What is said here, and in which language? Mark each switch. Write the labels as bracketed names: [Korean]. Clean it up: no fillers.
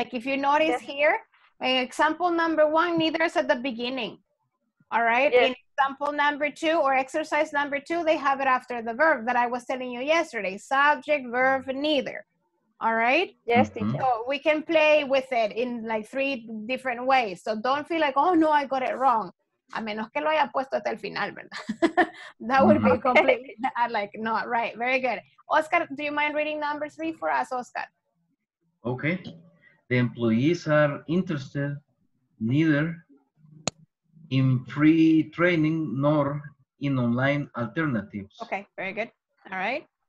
[English] Like if you notice here, example number one, neither is at the beginning, all right? Yes. In example number two or exercise number two, they have it after the verb that I was telling you yesterday, subject, verb, neither. All right? Yes, teacher. So we can play with it in like three different ways. So don't feel like, oh no, I got it wrong. [Spanish] A menos que lo haya puesto hasta el final, ¿verdad? [English] That would be completely like not right. Very good. Oscar, do you mind reading number three for us, Oscar? Okay. The employees are interested neither in free training nor in online alternatives. Okay, very good. All right.